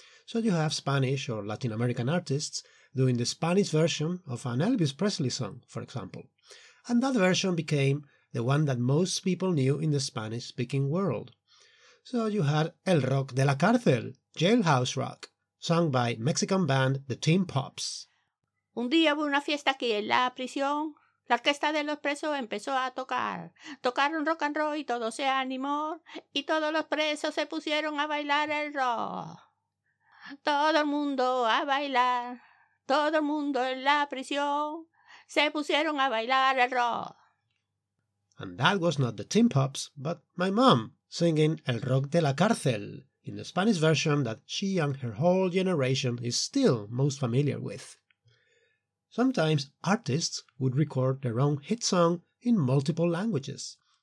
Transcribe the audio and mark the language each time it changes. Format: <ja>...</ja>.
<en>So you have Spanish or Latin American artists doing the Spanish version of an Elvis Presley song, for example. And that version became the one that most people knew in the Spanish-speaking world. So you had El Rock de la Cárcel, Jailhouse Rock, sung by Mexican band The Tin Pops.</en> <es>Un día hubo una fiesta aquí en la prisión. La orquesta de los presos empezó a tocar. Tocaron rock and roll y todo se animó. Y todos los presos se pusieron a bailar el rock. Todo el mundo a bailar. Todo el mundo en la prisión se pusieron a bailar el rock.</es> <en>And that was not the Tin Pops, but my mom singing El Rock de la Cárcel in the Spanish version that she and her whole generation is still most familiar with. Sometimes artists would record their own hit song in multiple languages.</en>